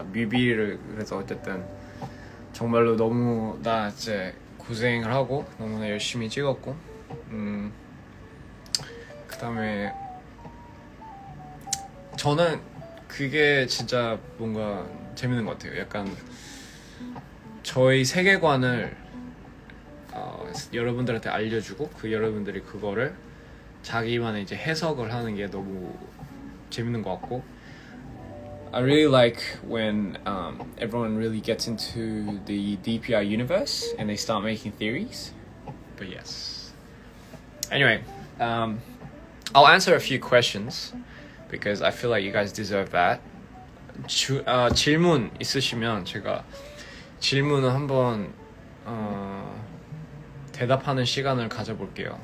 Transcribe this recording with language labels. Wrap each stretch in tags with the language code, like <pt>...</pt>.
<ko>뮤비를, 그래서 어쨌든, 정말로 너무 나 이제 고생을 하고, 너무나 열심히 찍었고, 그 다음에, 저는 그게 진짜 뭔가 재밌는 것 같아요. 약간, 저희 세계관을, 여러분들한테 알려주고, 그 여러분들이 그거를, 자기만의 이제 해석을 하는 게 너무 재밌는 것 같고.</ko> <en>I really like when everyone really gets into the DPR universe and they start making theories. But yes. Anyway, I'll answer a few questions because I feel like you guys deserve that.</en> <ko>질문 있으시면 제가 질문을 한번 대답하는 시간을 가져볼게요.</ko>